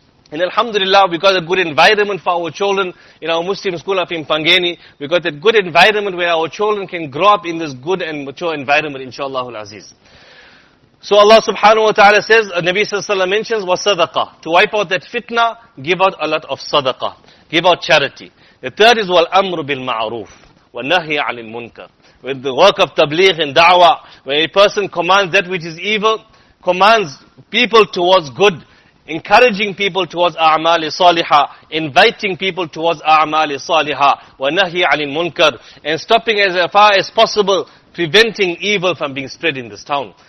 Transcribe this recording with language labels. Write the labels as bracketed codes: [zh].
[en] And alhamdulillah, we got a good environment for our children in our Muslim school of Impangani. We got a good environment where our children can grow up in this good and mature environment, inshallah al-aziz. So Allah subhanahu wa ta'ala says, Nabi sallallahu alayhi wa sallam mentions, وَصَدَقَةً. To wipe out that fitna, give out a lot of sadaqah. Give out charity. [ar] The third is, وَالْأَمْرُ بِالْمَعْرُوفِ وَالنَّهِيَ عَلِ الْمُنْكَرِ. [en] With the work of tabligh and da'wah, when a person commands that which is evil, commands people towards good, encouraging people towards a'mali saliha, inviting people towards a'mali saliha, [ar] وَالنَّهِيَ عَلِ الْمُنْكَرِ. [en] And stopping as far as possible, preventing evil from being spread in this town.